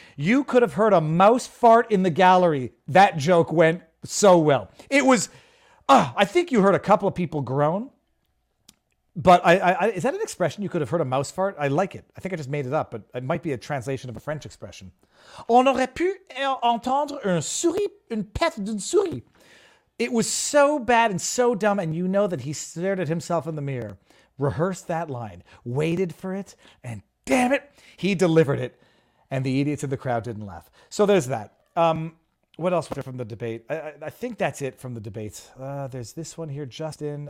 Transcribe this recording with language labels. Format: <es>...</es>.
<en>You could have heard a mouse fart in the gallery. That joke went so well. It was, I think you heard a couple of people groan. But I is that an expression? You could have heard a mouse fart? I like it. I think I just made it up, but it might be a translation of a French expression.</en> <fr>On aurait pu entendre un souris, une pète d'une souris.</fr> <en>It was so bad and so dumb. And you know that he stared at himself in the mirror. Rehearsed that line, waited for it, and damn it, he delivered it. And the idiots in the crowd didn't laugh. So there's that. What else was there from the debate? I think that's it from the debates. There's this one here, Justin.</en>